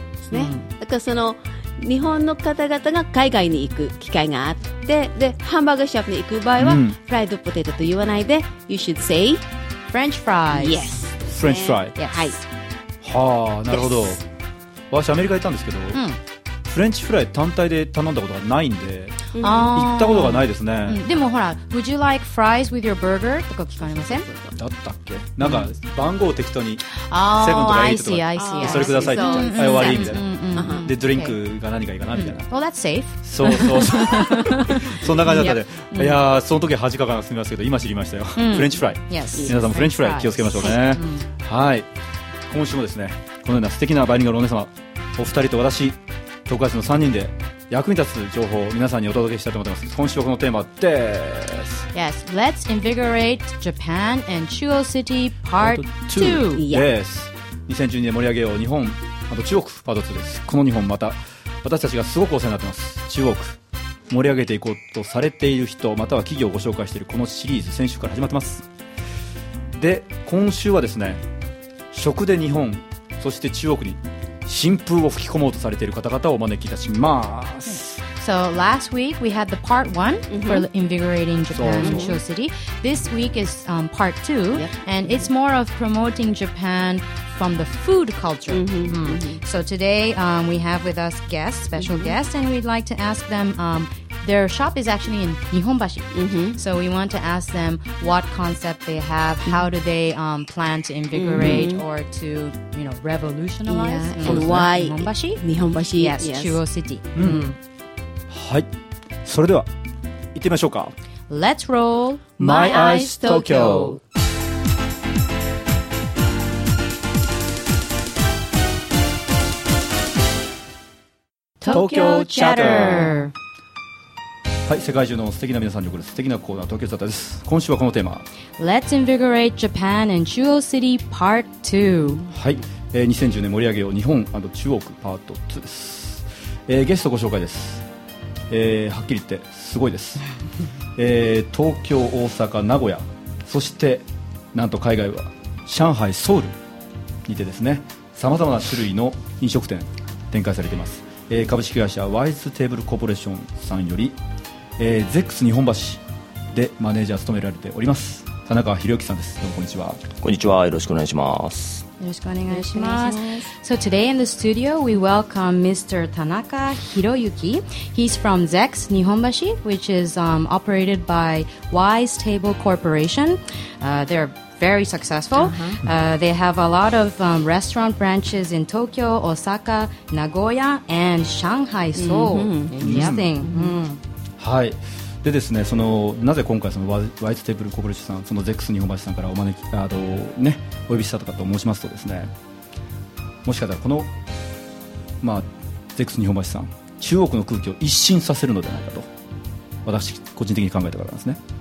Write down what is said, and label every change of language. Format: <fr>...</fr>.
<ja>ね。だからその、日本の方々が海外に行く機会があって、で、ハンバーガーショップに行く場合は、フライドポテトと言わないで、</ja> <en>you should say、</en> <ja>フレンチフライズ。</ja> <en>Yes。</en> <ja>フレンチフライズ。</ja> <en>Yes。</en> <ja>はあ、なるほど。私、アメリカ行ったんですけど、フレンチフライ単体で頼んだことがないんで、行ったことがないですね。</ja> <en>でもほら、Would you like fries with your burger?</en> <ja>とか聞かれません？だったっけ？なんか番号を適当に、セブンとかエイトとか、それくださいって言っちゃう。終わりみたいな。で、ドリンクが何がいいかなみたいな。</ja> <en>Well, that's safe.</en> <ja>そうそうそう。そんな感じだったで。いやー、その時恥かかなすみますけど、今知りましたよ。フレンチフライ。皆さんもフレンチフライ気をつけましょうね。はい。今週もですね、このような素敵なバイリンガルお姉様、お二人と私、特別の3人で役に立つ情報を皆さんにお届けしたいと思います。今週はこのテーマです。</ja> <en>Yes, let's invigorate Japan and Chuo City Part 2. Yes,</en> <ja>2012年盛り上げよう日本、あと中国パート2です。この日本、また私たちがすごくお世話になってます。中国盛り上げていこうとされている人、または企業をご紹介しているこのシリーズ、先週から始まってます。で、今週はですね、食で日本、そして中国に新風を吹き込もうとされている方々をお招きいたします。</ja> <en>So last week we had the part one for invigorating Japan in Chuo City. This week is part two, and it's more of promoting Japan from the food culture. So today we have with us guests, special guests, and we'd like to ask them. Their shop is actually in Nihonbashi. So we want to ask them what concept they have, how do they plan to invigorate or to, you know, revolutionize and why Nihonbashi? Nihonbashi, yes, Chuo City.</en> <ja>はい、それでは行ってみましょうか。</ja> <en>Let's roll My Eyes Tokyo。 Tokyo Chatter。</en> <ja>はい、世界中の素敵な皆さんに送る素敵なコーナー、東京サタです。今週はこのテーマ、</ja> <en>Let's invigorate Japan and Chuo City Part 2。</en> <ja>はい、 2010年盛り上げよう日本&中国パート2です。ゲストご紹介です。はっきり言ってすごいです。東京大阪名古屋そしてなんと海外は上海ソウルにてですね、さまざまな種類の飲食店展開されています。株式会社ワイズテーブルコーポレーションさんより、ゼックス日本橋でマネージャー務められております田中博之さんです。どうもこんにちは。こんにちは、よろしくお願いします。よろしくお願いします。</ja> <en>So today in the studio we welcome Mr. Tanaka Hiroyuki. He's from ZEX Nihonbashi, which is operated by Wise Table Corporation. They're very successful. They have a lot of restaurant branches in Tokyo, Osaka, Nagoya and Shanghai, Seoul. Interesting.</en> <ja>はい。でですね、そのなぜ今回そのワイズテーブルコーポレーションさん、そのゼックス日本橋さんからお招き、ね、お呼びしたとかと申しますとですね、もしかしたらこの、まあ、ゼックス日本橋さん、中国の空気を一新させるのではないかと私個人的に考えたからなんですね。</ja>